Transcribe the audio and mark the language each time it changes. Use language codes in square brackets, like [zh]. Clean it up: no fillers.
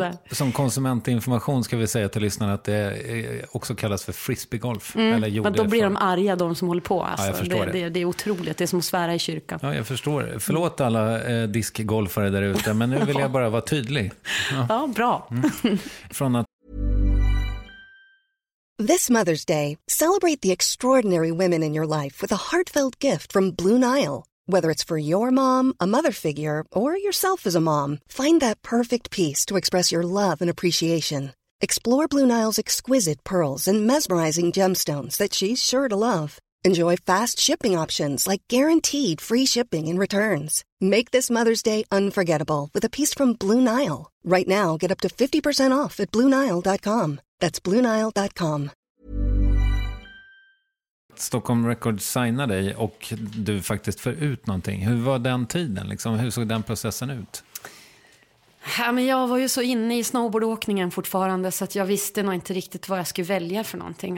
[sv] Som konsumentinformation ska vi säga till lyssnarna att det också kallas för frisbeegolf. Mm. Men då blir de arga, de som håller på. Alltså. Ja, jag förstår det. Det är otroligt, det är som att svära i kyrkan. Ja, jag förstår. Förlåt alla diskgolfare där ute, men nu vill jag bara vara tydlig. Ja, ja, bra. Från att... [en] This Mother's Day, celebrate the extraordinary women in your life with a heartfelt gift from Blue Nile. Whether it's for your mom, a mother figure, or yourself as a mom, find that perfect piece to express your love and appreciation. Explore Blue Nile's exquisite pearls and mesmerizing gemstones that she's sure to love. Enjoy fast shipping options like guaranteed free shipping and returns. Make this Mother's Day unforgettable with a piece from Blue Nile. Right now, get up to 50% off at BlueNile.com. That's BlueNile.com. [sv] Stockholm Records signa dig och du faktiskt får ut någonting. Hur var den tiden? Liksom? Hur såg den processen ut? Ja, men jag var ju så inne i snowboardåkningen fortfarande så att jag visste nog inte riktigt vad jag skulle välja för någonting.